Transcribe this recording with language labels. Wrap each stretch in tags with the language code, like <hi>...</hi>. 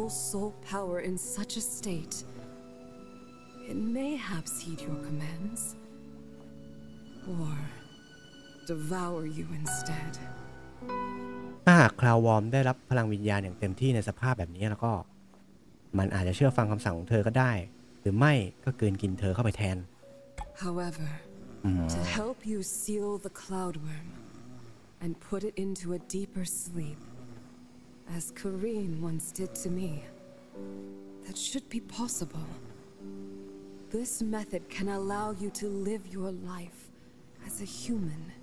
<en>full soul power in such a state it may have heed your commands or devour you instead</en> <th>ถ้าหากคลาววอร์มได้รับพลังวิญญาณอย่างเต็มที่ในสภาพแบบนี้แล้วก็มันอาจจะเชื่อฟังคำสั่งของเธอก็ได้หรือไม่ก็เกินกินเธอเข้าไปแทน</th> <en>howeverTo help you seal the cloudworm and put it into a deeper sleep, as Karine once did to me, that should be possible. This method can allow you to live your life as a human.</en>